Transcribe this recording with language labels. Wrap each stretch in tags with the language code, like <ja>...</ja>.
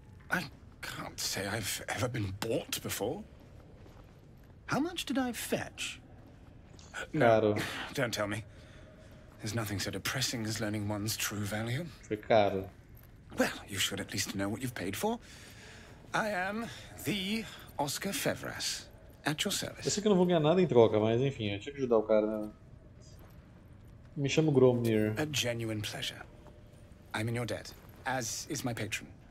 <en>I can't say I've ever been bought before. How much did I fetch?</en> <pt>Caro.</pt> <en>No, don't tell me. There's nothing so depressing as learning one's true value.</en> <pt>Foi caro.</pt> <en>Well, you should at least know what you've paid for. I am the Oscar Fevras. At your service.</en> <pt>Eu sei que eu não vou ganhar nada em troca, mas enfim, eu tinha que ajudar o cara, né? Me chamo Gromir.</pt> <en>A genuine pleasure. I'm in your debt, as is my patron.</en>